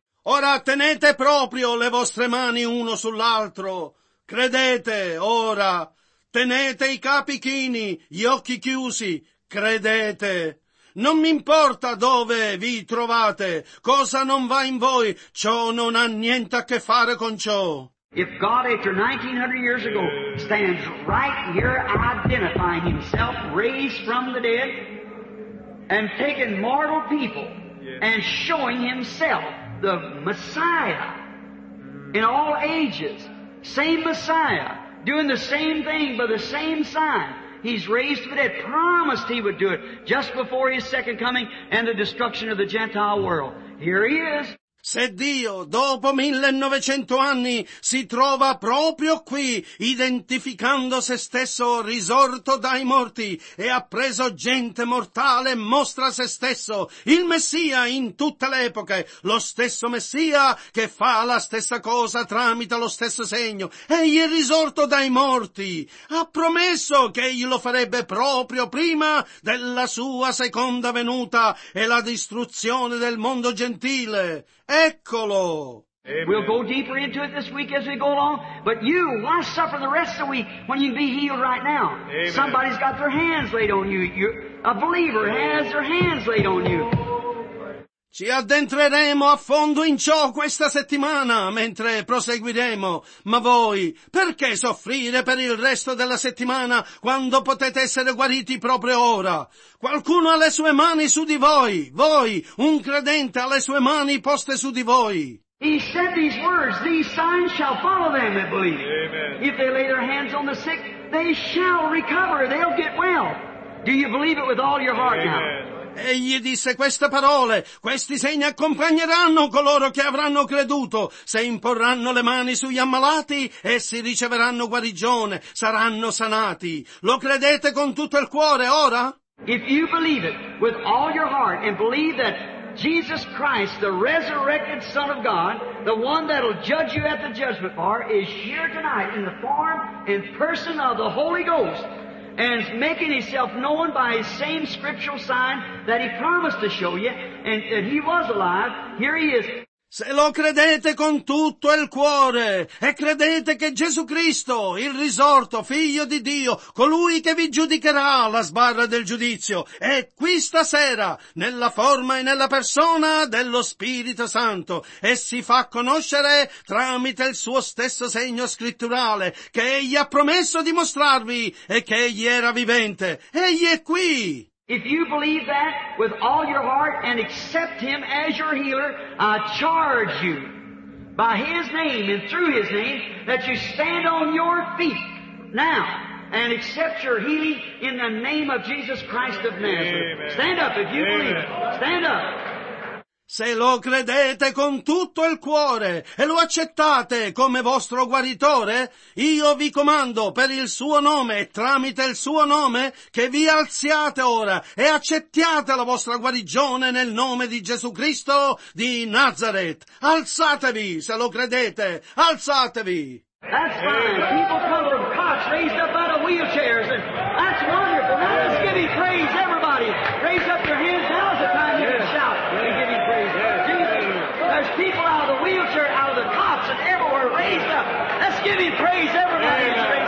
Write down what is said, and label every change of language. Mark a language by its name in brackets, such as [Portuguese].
[Italian] Ora tenete proprio le vostre mani uno sull'altro. Credete ora. Tenete i capi chini, gli occhi chiusi. Credete. Non mi importa dove vi trovate, cosa non va in voi, ciò non ha niente a che fare con ciò. [English] If God, after 1900 years ago, stands right here identifying himself, raised from the dead, and taking mortal people, and showing himself the Messiah in all ages, same Messiah, doing the same thing by the same sign, he's raised from the dead, promised he would do it just before his second coming and the destruction of the Gentile world. Here he is. [Italian] Se Dio, dopo 1900 anni, si trova proprio qui, identificando se stesso risorto dai morti, e ha preso gente mortale, mostra se stesso, il Messia in tutte le epoche, lo stesso Messia che fa la stessa cosa tramite lo stesso segno, egli è risorto dai morti, ha promesso che egli lo farebbe proprio prima della sua seconda venuta e la distruzione del mondo gentile. Eccolo. Amen. [English] We'll go deeper into it this week as we go along. But you, why suffer the rest of the week when you can be healed right now? Amen. Somebody's got their hands laid on you. A believer has their hands laid on you. [Italian] Ci addentreremo a fondo in ciò questa settimana mentre proseguiremo. Ma voi, perché soffrire per il resto della settimana quando potete essere guariti proprio ora? Qualcuno ha le sue mani su di voi. Voi, un credente, ha le sue mani poste su di voi. [English] He said these words, these signs shall follow them that believe. If they lay their hands on the sick, they shall recover. They'll get well. Do you believe it with all your heart Amen. Now? [Italian] Egli disse queste parole: questi segni accompagneranno coloro che avranno creduto. Se imporranno le mani sugli ammalati, essi riceveranno guarigione, saranno sanati. Lo credete con tutto il cuore ora? [English] If you believe it with all your heart and believe that Jesus Christ, the resurrected Son of God, the one that will judge you at the judgment bar, is here tonight in the form and person of the Holy Ghost, and is making himself known by his same scriptural sign that he promised to show you, and that he was alive, here he is. [Italian] Se lo credete con tutto il cuore e credete che Gesù Cristo, il risorto figlio di Dio, colui che vi giudicherà alla sbarra del giudizio, è qui stasera nella forma e nella persona dello Spirito Santo e si fa conoscere tramite il suo stesso segno scritturale che egli ha promesso di mostrarvi e che egli era vivente. Egli è qui! [English] If you believe that with all your heart and accept him as your healer, I charge you by his name and through his name that you stand on your feet now and accept your healing in the name of Jesus Christ of Nazareth. Amen. Stand up if you Amen. Believe. Stand up. [Italian] Se lo credete con tutto il cuore e lo accettate come vostro guaritore, io vi comando per il suo nome e tramite il suo nome che vi alziate ora e accettiate la vostra guarigione nel nome di Gesù Cristo di Nazareth. Alzatevi se lo credete, alzatevi! [English] That's fine. People come from cots raised up out of wheelchairs. That's wonderful. Now let's give him praise, everybody. Raise up your hands. Now's the time you can shout and give him praise. Jesus. There's people out of the wheelchair, out of the cots, and everywhere raised up. Let's give him praise, everybody.